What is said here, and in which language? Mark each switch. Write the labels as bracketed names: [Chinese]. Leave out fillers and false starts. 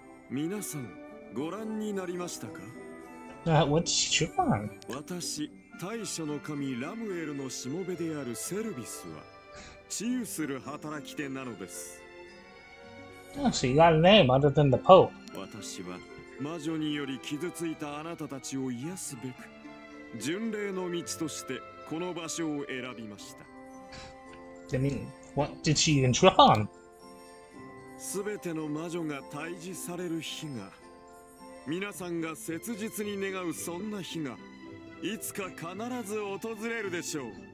[Japanese] 皆さん、ご覧になりましたか？ [English] What's she on? [Japanese] 私、大社の神ラムエルのしもべであるセルビスは治癒する働き手なのです。 [English] Oh, so you got a name other than the Pope. [Japanese] 私は魔女により傷ついたあなたたちを癒すべく巡礼の道としてこの場所を選びました。 [English] I mean, what did she even trip on? [Japanese] すべての魔女が退治される日が、皆さんが切実に願うそんな日がいつか必ず訪れるでしょう。